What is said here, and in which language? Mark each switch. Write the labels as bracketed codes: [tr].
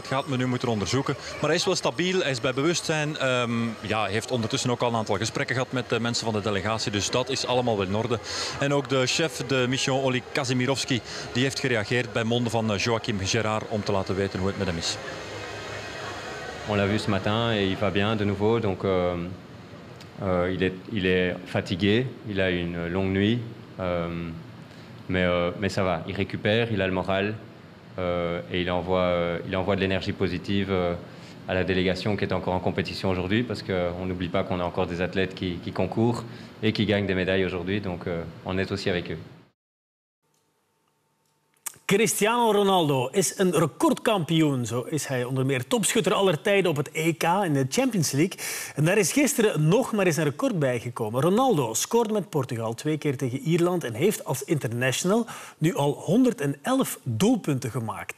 [nl] Dat gaat men nu moeten onderzoeken. Maar hij is wel stabiel, hij is bij bewustzijn. Heeft ondertussen ook al een aantal gesprekken gehad met de mensen van de delegatie. Dus dat is allemaal wel in orde. En ook de chef, de mission Oli Kazimirovski, die heeft gereageerd bij monden van Joachim Gérard om te laten weten hoe het met hem is. [fr] On l'a vu ce matin et il va bien de nouveau. Donc, il est fatigué, il a une longue nuit. Mais ça va, il récupère, il a le moral. et il envoie de l'énergie positive à la délégation qui est encore en compétition aujourd'hui, parce qu'on n'oublie pas qu'on a encore des athlètes qui concourent et qui gagnent des médailles aujourd'hui, donc on est aussi avec eux. [nl] Cristiano Ronaldo is een recordkampioen. Zo is hij onder meer topschutter aller tijden op het EK in de Champions League. En daar is gisteren nog maar eens een record bijgekomen. Ronaldo scoorde met Portugal 2 keer tegen Ierland en heeft als international nu al 111 doelpunten gemaakt.